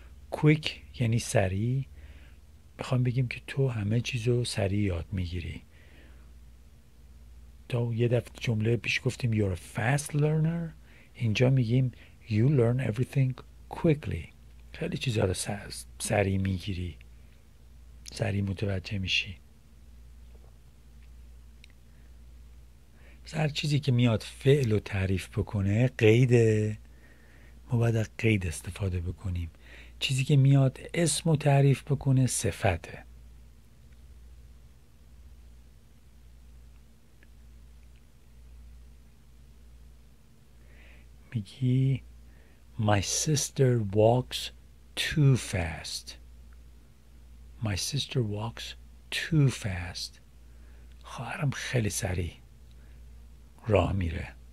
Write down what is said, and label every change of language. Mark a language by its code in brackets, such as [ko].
[fa] Quick یعنی سریع. بخوام بگیم که تو همه چیزو سریع یاد میگیری. تو یه دفعه جمله پیش گفتیم [en] You're a fast learner. [fa] اینجا میگیم [en] You learn everything quickly. [fa] خیلی چیزها رو سریع میگیری، سریع متوجه میشی. هر چیزی که میاد فعل رو تعریف بکنه قیده، ما باید قید استفاده بکنیم. چیزی که میاد اسم رو تعریف بکنه صفته. [en] میگی My sister walks too fast. My sister walks too fast. [fa] خواهرم خیلی سریع راه میره.